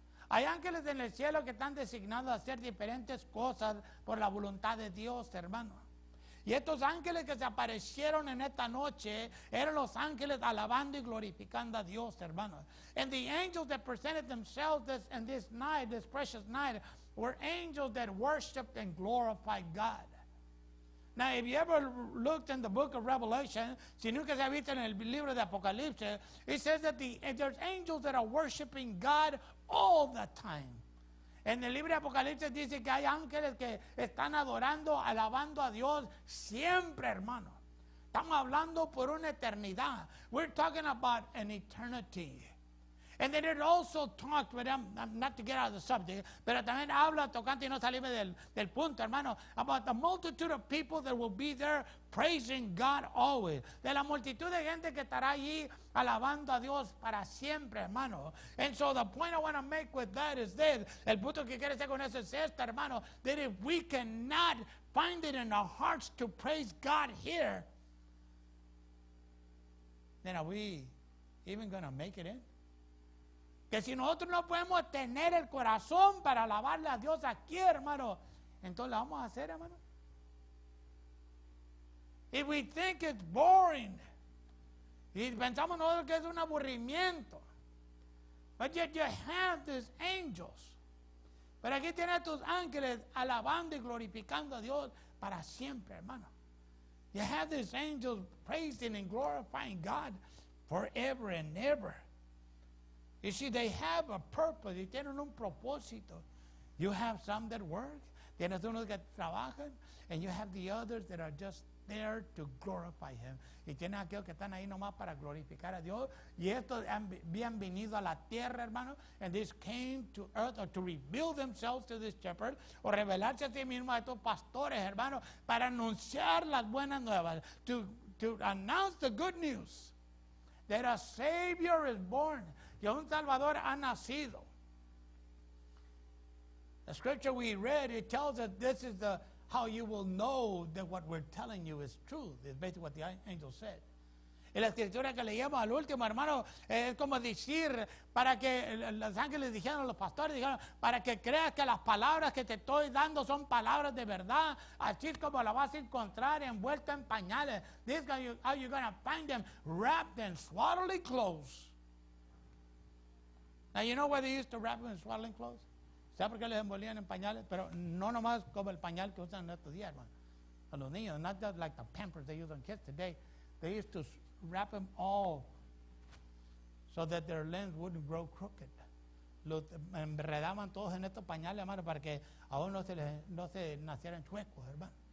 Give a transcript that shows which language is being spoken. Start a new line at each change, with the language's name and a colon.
Spanish: Hay ángeles en el cielo que están designados a hacer diferentes cosas por la voluntad de Dios, hermano. Y estos ángeles que se aparecieron en esta noche eran los ángeles alabando y glorificando a Dios, hermanos.
English: And the angels that presented themselves in this night, this precious night, were angels that worshiped and glorified God. Now, if you ever looked in the book of Revelation,
Spanish: si nunca se ha visto en el libro de Apocalipsis,
English: it says that there's angels that are worshiping God all the time.
Spanish: En el libro de Apocalipsis dice que hay ángeles que están adorando, alabando a Dios siempre, hermano. Estamos hablando por una eternidad.
English: We're talking about an eternity. And then it also talked, but I'm not to get out of the subject,
Spanish: pero también habla, tocante y no salirme del punto, hermano,
English: about the multitude of people that will be there praising God always.
Spanish: De la multitud de gente que estará allí alabando a Dios para siempre, hermano.
English: And so the point I want to make with that is this.
Spanish: El punto que quiere hacer con eso es esto, hermano,
English: that if we cannot find it in our hearts to praise God here, then are we even going to make it in?
Spanish: Que si nosotros no podemos tener el corazón para alabarle a Dios aquí, hermano, entonces lo vamos a hacer, hermano.
English: If we think it's boring,
Spanish: y pensamos nosotros que es un aburrimiento,
English: but yet you have these angels,
Spanish: pero aquí tienes tus ángeles alabando y glorificando a Dios para siempre, hermano.
English: You have these angels praising and glorifying God forever and ever. You see, they have a purpose.
Spanish: Y tienen un propósito.
English: You have some that work.
Spanish: Tienes unos que trabajan.
English: And you have the others that are just there to glorify him.
Spanish: Y tienes aquellos que están ahí nomás para glorificar a Dios. Y estos habían venido a la tierra, hermano.
English: And these came to earth or to reveal themselves to this shepherd.
Spanish: O revelarse a sí mismo a estos pastores, hermano, para anunciar las buenas nuevas.
English: To announce the good news that a Savior is born.
Spanish: Que un Salvador ha nacido.
English: The scripture we read, it tells us this is the how you will know that what we're telling you is true. It's basically what the angel said.
Spanish: Y la escritura que leíamos al último, hermano, es como decir, para que los ángeles dijeron, los pastores dijeron, para que creas que las palabras que te estoy dando son palabras de verdad, así es como la vas a encontrar envuelta en pañales.
English: This is how you're going to find them, wrapped in swaddling clothes. Now, you know why they used to wrap them in swaddling clothes?
Spanish: ¿Sabes por qué les envolvían en pañales? Pero no nomás como el pañal que usan en estos días, hermano. A los niños,
English: not just like the pampers they use on kids today. They used to wrap them all so that their limbs wouldn't grow crooked.
Spanish: Los enredaban todos en estos pañales, hermano, para que aún no se nacieran chuecos, hermano.